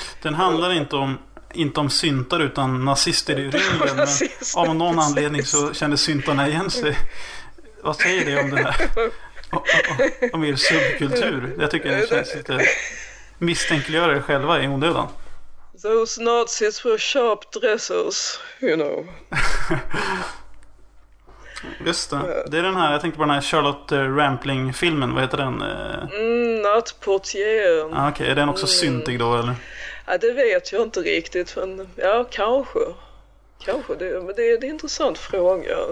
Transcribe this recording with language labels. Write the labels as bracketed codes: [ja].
[sv] Den handlar inte om syntar utan nazister i rymden. Av någon anledning så känner syntarna igen sig. Vad säger det om det här? Om er subkultur. Jag tycker det känns lite misstänkliggöra er själva i onödan. [en] Those Nazis were sharp dressers, you know. [sv] Just det. Det är den här, jag tänkte på den här Charlotte Rampling-filmen. Vad heter den? Nattportieren. Ah, okej, okay. Är den också syntig då, eller? Ja, det vet jag inte riktigt. Men ja, kanske. Kanske, men det är en intressant fråga.